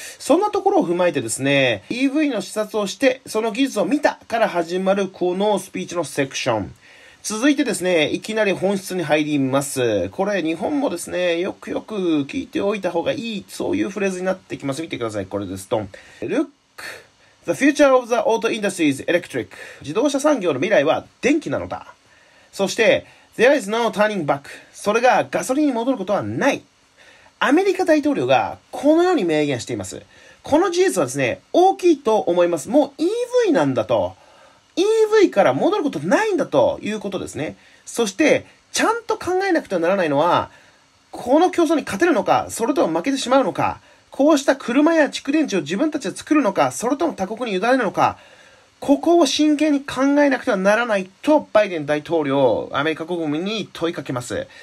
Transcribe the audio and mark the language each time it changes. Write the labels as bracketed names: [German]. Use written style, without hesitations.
[Japanese] そんなところを踏まえてですね、 EV の視察をして、その技術を見たから始まるこのスピーチのセクション、続いてですね、いきなり本質に入ります。これ日本もですね、よくよく聞いておいた方がいい、そういうフレーズになってきます。見てください、これです。ドン。 [English] Look, the future of the auto industry is electric. [Japanese] 自動車産業の未来は電気なのだ。そして [English] There is no turning back. [Japanese] それがガソリンに戻ることはない。アメリカ大統領がこのように明言しています。この事実はですね、大きいと思います。もう EV なんだと。 EV から戻ることないんだということですね。そして、ちゃんと考えなくてはならないのは、この競争に勝てるのか、それとも負けてしまうのか、こうした車や蓄電池を自分たちで作るのか、それとも他国に委ねるのか、ここを真剣に考えなくてはならないと、バイデン大統領、アメリカ国民に問いかけます。